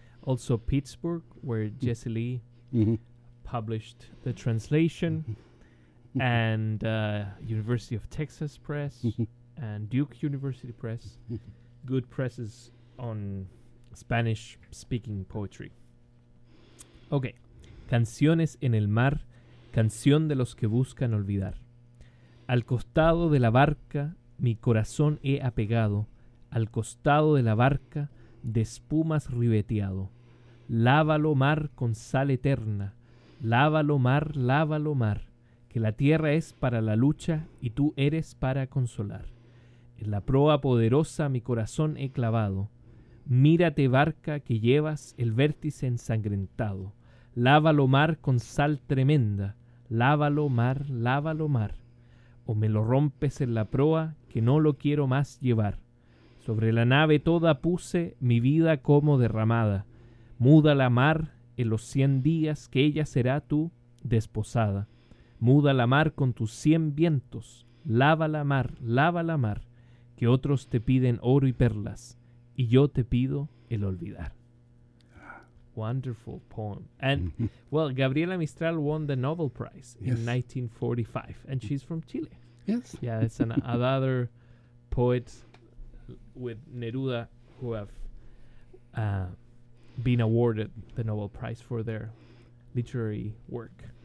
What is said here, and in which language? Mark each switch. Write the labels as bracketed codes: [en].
[en] Also Pittsburgh, where Jesse Lee published the translation. And University of Texas Press and Duke University Press. Good presses on Spanish-speaking poetry. Okay. [es] Canciones en el mar, canción de los que buscan olvidar. Al costado de la barca, mi corazón he apegado. Al costado de la barca, de espumas ribeteado. Lávalo mar con sal eterna. Lávalo mar, que la tierra es para la lucha y tú eres para consolar. En la proa poderosa mi corazón he clavado. Mírate barca que llevas el vértice ensangrentado. Lávalo mar con sal tremenda. Lávalo mar. O me lo rompes en la proa que no lo quiero más llevar. Sobre la nave toda puse mi vida como derramada. Muda la mar en los 100 días que ella será tu desposada. Muda la mar con tus 100 vientos. Lava la mar, que otros te piden oro y perlas. Y yo te pido el olvidar. [en] Wonderful poem. And, well, Gabriela Mistral won the Nobel Prize in 1945. And she's from Chile. Yes. Yeah, it's another poet with Neruda who have been awarded the Nobel Prize for their literary work.